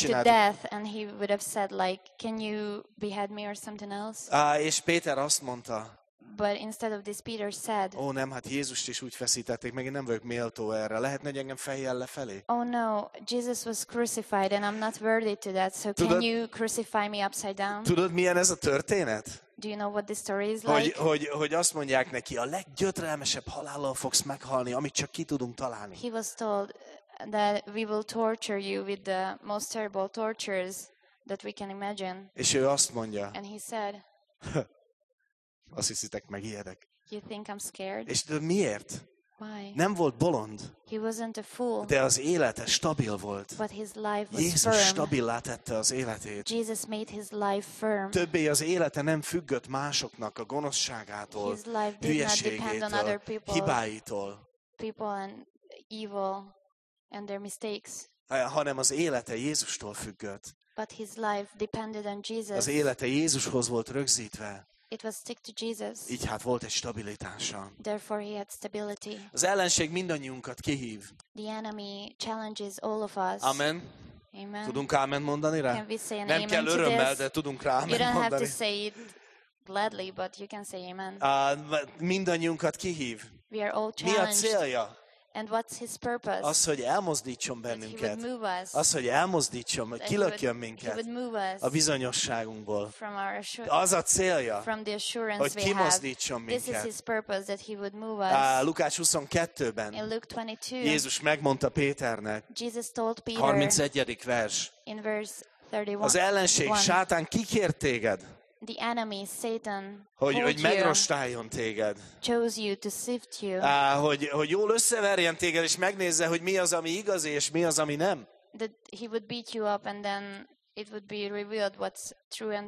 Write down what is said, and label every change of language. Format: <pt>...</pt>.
<en>to death, and he would have said, like, can you behead me or something else?</en> <hu>És Péter azt mondta,</hu> <en>but instead of this, Peter said,</en> <hu>oh, nem, hát Jézust is úgy feszítették, meg én nem vagyok méltó erre. Lehetne, hogy engem fejjel lefelé?</hu> <en>Oh, no, Jesus was crucified, and I'm not worthy to that, so</en> <hu>tudod,</hu> <en>can you crucify me upside down?</en> <hu>Tudod, milyen ez a történet?</hu> <en>Do you know what this story is like?</en> <hu>Hogy azt mondják neki, a leggyötrelmesebb halállal fogsz meghalni, amit csak ki tudunk találni.</hu> <en>He was told that we will torture you with the most terrible tortures that we can imagine.</en> <hu>És ő azt mondja,</hu> <en>and he said,</en> <hu>azt hiszitek, megijedek.</hu> <en>You think I'm scared?</en> <hu>És de miért?</hu> <en>Why?</en> <hu>Nem volt bolond.</hu> <en>He wasn't a fool.</en> <hu>De az élete stabil volt.</hu> <en>But his life was</en> <hu>Jézus</hu> <en>firm.</en> <hu>Stabillá tette az életét.</hu> <en>Jesus made his life firm.</en> <hu>Többé az élete nem függött másoknak a gonoszságától,</hu> <en>his life did</en> <hu>hülyeségétől,</hu> <en>not depend on other people,</en> <hu>hibáitól.</hu> <en>People and evil and their mistakes.</en> <hu>Hanem az élete Jézustól függött.</hu> <en>But his life depended on Jesus.</en> <hu>Az élete Jézushoz volt rögzítve.</hu> <en>It was stick to Jesus.</en> <hu>Így hát volt egy stabilitása.</hu> <en>Therefore he had stability.</en> <hu>Az ellenség mindannyiunkat kihív.</hu> <en>The enemy challenges all of us.</en> <hu>Amen.</hu> <en>Amen.</en> <hu>Tudunk ámen mondani rá?</hu> <en>Can we say an</en> <hu>nem</hu> <en>amen</en> <hu>kell örömmel,</hu> <en>this?</en> <hu>De tudunk rá ámen mondani.</hu> <en>You don't have to say it gladly, but you can say amen.</en> <hu>Mindannyiunkat kihív.</hu> <en>We are all challenged.</en> <hu>Mi a célja?</hu> <en>And what's his purpose?</en> <hu>Az, hogy elmozdítson bennünket. Az, hogy elmozdítson, hogy kilökjön minket a bizonyosságunkból. Az a célja, hogy kimozdítson minket.</hu> <en>This is his purpose, that he would move us.</en> <hu>Lukács 22-ben</hu> <en>in Luke 22,</en> <hu>Jézus megmondta Péternek,</hu> <en>Jesus told Peter,</en> <hu>31. vers,</hu> <en>in verse 31,</en> <hu>az ellenség, Sátán kikért téged,</hu> <en>the enemy Satan,</en> <hu>hogy megrostáljon téged.</hu> <en>Chose you to sift you.</en> <hu>Hogy jól összeverjen téged és megnézze, hogy mi az, ami igazi és mi az, ami nem.</hu> <en>That he would beat you up and then it would be revealed what's true and what's</en>